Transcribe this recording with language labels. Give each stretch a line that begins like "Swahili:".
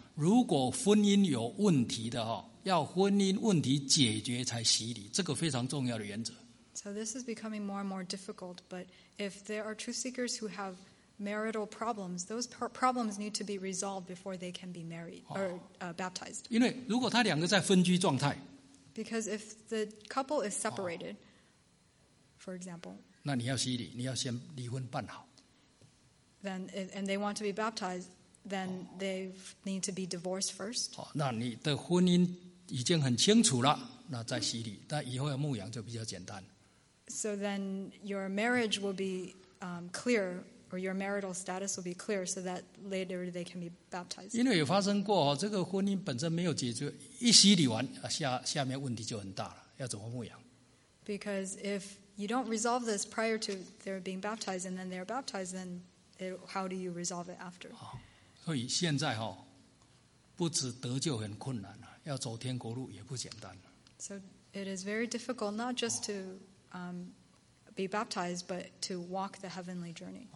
Chinese: 如果婚姻有问题的要婚姻问题解决才洗礼，这个非常重要的原则。
English: So this is becoming more and more difficult. But if there are truth seekers who have marital problems, those problems need to be resolved before they can be married or baptized.
Chinese: 因为如果他两个在分居状态
English: ，Because if the couple is separated, for example,
Chinese: 那你要洗礼，你要先离婚办好。
English: Then and they want to be baptized. Then they need to be divorced first.
Chinese: 那你的婚姻已经很清楚了，那再洗礼，那以后要牧养就比较简单。
English: So then your marriage will be clear, or your marital status will be clear, so that later they can be baptized.
Chinese: 因为有发生过这个婚姻本身没有解决，一洗礼完下面问题就很大了，要怎么牧养
English: ？Because if you don't resolve this prior to their being baptized, and then they're baptized, then how do you resolve it after?
Chinese: 所以现在不止得救很困难，要走天国路也不简单。
English: So it is very difficult not just to be baptized but to walk the heavenly journey.